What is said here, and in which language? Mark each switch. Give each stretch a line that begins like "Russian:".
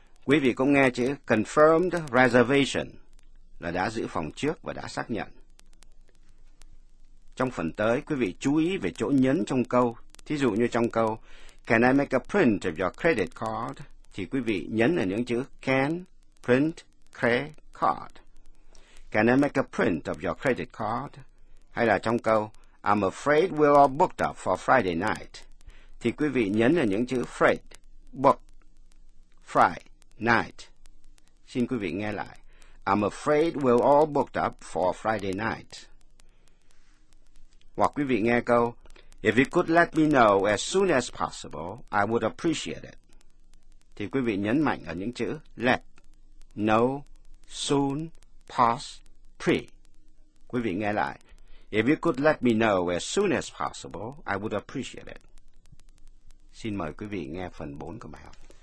Vietnamese: Quý vị cũng nghe chữ confirmed reservation là đã giữ phòng trước và đã xác nhận. Trong phần tới, quý vị chú ý về chỗ nhấn trong câu. Thí dụ như trong câu
English: Can I make a print of your credit card?
Vietnamese: Thì quý vị nhấn ở những chữ Can, print, credit card.
English: Can I make a print of your credit card?
Vietnamese: Hay là trong câu
English: I'm afraid we're all booked up for Friday night.
Vietnamese: Thì quý vị nhấn ở những chữ afraid, book, fry, night. Xin quý vị nghe lại.
English: I'm afraid we're all booked up for Friday night.
Vietnamese: Hoặc quý vị nghe câu
English: If you could let me know as soon as possible, I would appreciate it.
Vietnamese: Thì quý vị nhấn mạnh ở những chữ let, know, soon, pass, pre. Quý vị nghe lại.
English: If you could let me know as soon as possible, I would appreciate it.
Vietnamese: Xin mời quý vị nghe phần 4 của bài học.